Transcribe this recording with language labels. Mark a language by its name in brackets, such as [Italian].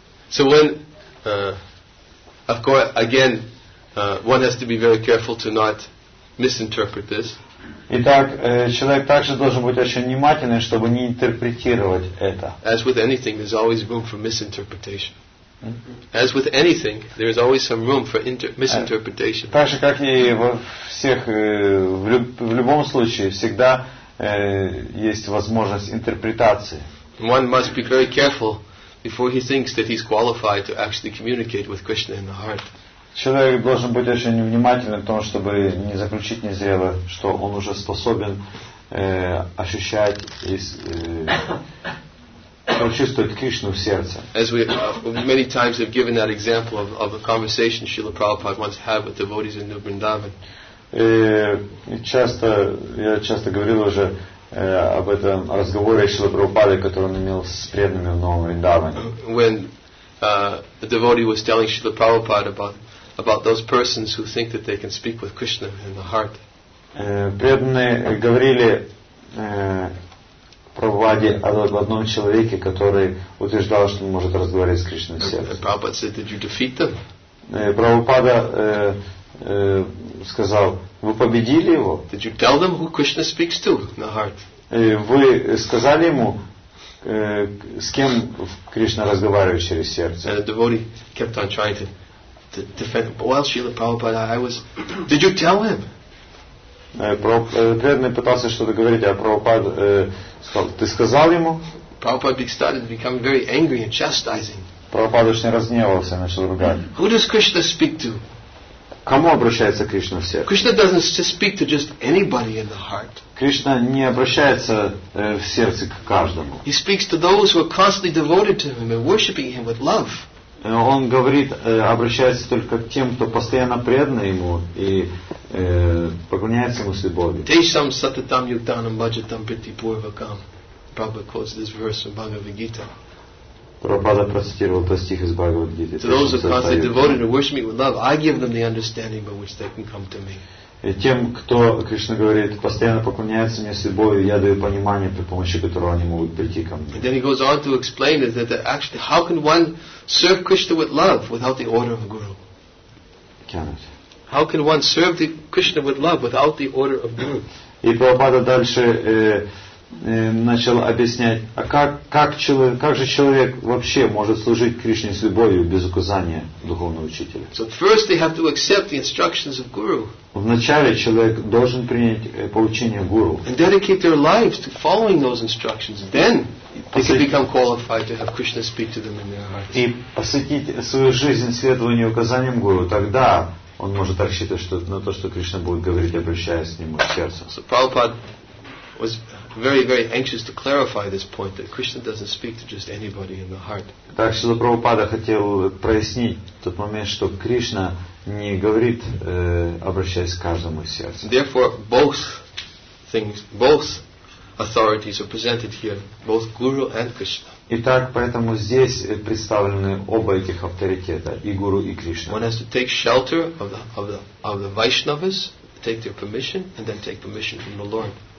[English] So when, of course, again, one has to be very careful to not misinterpret this. [Russian] Итак, человек также должен быть очень внимательным, чтобы не интерпретировать это. [English] As with anything, there's always room for misinterpretation. As with anything, there is always some room for misinterpretation. [Russian] Так же, как и во всех, в любом случае, всегда есть возможность интерпретации. [English] One must be very careful before he thinks that he's qualified to actually communicate with Krishna in the heart. [Russian] Человек должен быть очень внимательным в том, чтобы не заключить незрело, что он уже способен ощущать и прочувствовать Кришну в сердце. [English] As we many times have given that example of a conversation Srila Prabhupada once had with devotees in New Vrindavan. [Russian] Я часто говорил уже об этом разговоре Шрилы Прабхупады, который он имел с преданными в Новом Вриндаване. [English] When the devotee was telling Srila Prabhupada about those persons who think that they can speak with Krishna in the heart. [Russian] Преданные говорили Прабхупаде об одном человеке, который утверждал, что он может разговаривать с Кришной в сердце. [English] Prabhupada said, did you defeat them? [Russian] Прабхупада сказал, вы победили его? [English] Did you tell them who Krishna speaks to in the heart? [Russian] Вы сказали ему, с кем Кришна разговаривает через сердце? [English] And the devotee kept on trying to defend him. Well, Srila Prabhupada, I was... Did you tell him? [Russian] Преданный пытался что-то говорить, а Прабхупада сказал, ты сказал ему? [English] Prabhupada started to become very angry and chastising. [Russian] Прабхупада очень разгневался, начал ругать. [English] Who does Krishna speak to? [Russian] Кому обращается Кришна в сердце? [English] Krishna doesn't just speak to just anybody in the heart. [Russian] Кришна не обращается в сердце к каждому. [English] He speaks to those who are constantly devoted to him and worshiping him with love. [Russian] Он говорит, обращается только к тем, кто постоянно предан ему и поклоняется ему с любовью. [Sanskrit] Тешам сататам юктанам баджатам притипурвакам. [English] Prabhupada quotes this verse from Bhagavad Gita. [Russian] Прабхупада процитировал этот стих из Бхагавад-гиты. [English] To those who constantly devoted and worship me with love, I give them the understanding by which they can come to me. [Russian] Тем, кто, Кришна говорит, постоянно поклоняется мне с любовью, я даю понимание, при помощи которого они могут прийти ко мне. [English] And then he goes on to explain that actually, how can one serve Krishna with love without the order of a guru? Cannot. How can one serve Krishna with love without the order of guru? [Russian] И Прабхупада дальше начал объяснять, а как же человек вообще может служить Кришне с любовью без указания духовного учителя? [English] So first they have to accept the instructions of guru. [Russian] Вначале человек должен принять поучение гуру. [English] And dedicate their lives to following those instructions. Then they can become qualified to have Krishna speak to them in their hearts. [Russian] И посвятить свою жизнь следованию указаниям гуру, тогда он может так считать, что на то, что Кришна будет говорить, обращаясь к нему в сердце. [English] So Prabhupada was very, very anxious to clarify this point that Krishna doesn't speak to just anybody in the heart. [Russian] Так что Прабхупада хотел прояснить тот момент, что Кришна не говорит, обращаясь к каждому из сердца. [English] Therefore, both authorities are presented here, both Guru and Krishna. [Russian] Итак, поэтому здесь представлены оба этих авторитета, и Гуру, и Кришна. [English] One has to take shelter of the Vaishnavas, take their permission, and then take permission from the Lord.